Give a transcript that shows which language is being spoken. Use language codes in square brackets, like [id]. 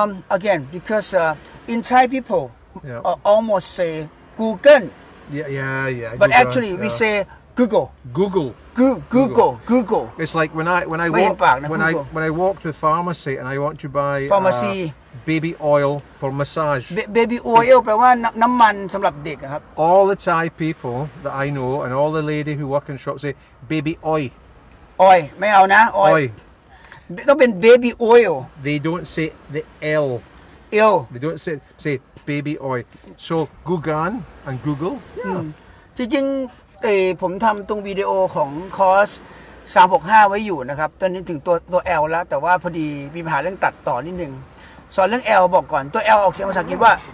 [en] Again, because in Thai people almost say Google. Yeah. But actually, we say Google. Google. It's like when I walk to the pharmacy and I want to buy pharmacy. Baby oil for massage. [th] Baby oil แปลว่าน้ำมันสำหรับเด็กครับ [en] All the Thai people that I know and all the lady who work in shops say baby oil. [th] Oil ไม่เอานะ oil. ต้องเป็น baby oil. [en] They don't say the L. L. They don't say baby oil. So Google and Google. Yeah. [th] จริงๆผมทำตรงวิดีโอของคอร์ส365ไว้อยู่นะครับตอนนี้ถึงตัว L แล้วแต่ว่าพอดีมีปัญหาเรื่องตัดต่อนิดนึงสอนเรื่อง L บอกก่อนตัว L ออกเสียงภาษาอังกฤษว่า